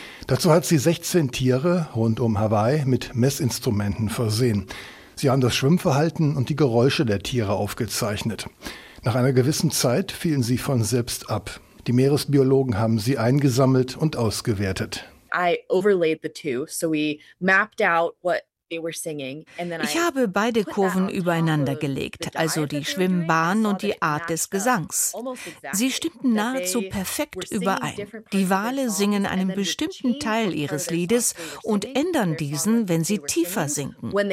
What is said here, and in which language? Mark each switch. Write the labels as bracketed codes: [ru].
[de] Dazu hat sie 16 Tiere rund um Hawaii mit Messinstrumenten versehen. Sie haben das Schwimmverhalten und die Geräusche der Tiere aufgezeichnet. Nach einer gewissen Zeit fielen sie von selbst ab. Die Meeresbiologen haben sie eingesammelt und ausgewertet. [en] I overlaid the two, so we mapped out what [de] Ich habe beide Kurven übereinander gelegt, also die Schwimmbahn und die Art des Gesangs. Sie stimmten nahezu perfekt überein. Die Wale singen einen bestimmten Teil ihres Liedes und ändern diesen, wenn sie tiefer sinken.